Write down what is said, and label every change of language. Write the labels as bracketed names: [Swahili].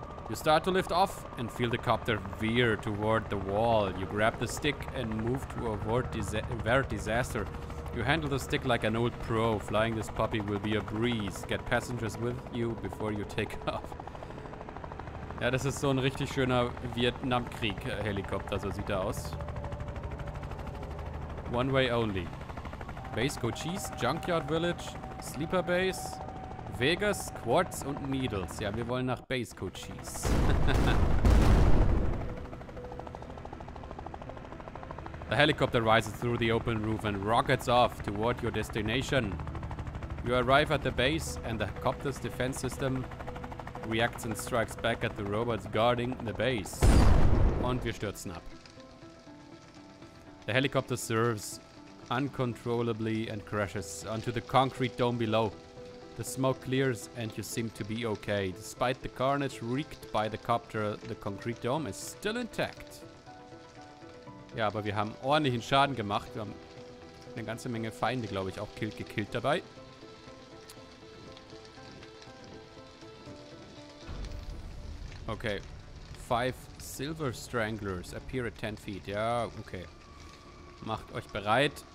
[English] You start to lift off and feel the copter veer toward the wall. You grab the stick and move to avoid disaster. You handle the stick like an old pro. Flying this puppy will be a breeze. Get passengers with you before you take off. [German] Ja, das ist so ein richtig schöner Vietnamkrieg-Helikopter. So sieht er aus. [English] One way only. Base Cochise, Junkyard Village, Sleeper Base, Vegas, Quartz und Needles. [German] Ja, wir wollen nach Base Cochise. [English] The helicopter rises through the open roof and rockets off toward your destination. You arrive at the base and the copter's defense system reacts and strikes back at the robots guarding the base. [German] Und wir stürzen ab. [English] The helicopter swerves uncontrollably and crashes onto the concrete dome below. The smoke clears and you seem to be okay. Despite the carnage wreaked by the copter, the concrete dome is still intact. [German] Ja, aber wir haben ordentlichen Schaden gemacht. Wir haben eine ganze Menge Feinde, glaube ich, auch gekillt dabei. [English] Okay. 5 Silver Stranglers appear at 10 feet. [German] Ja, okay. Macht euch bereit.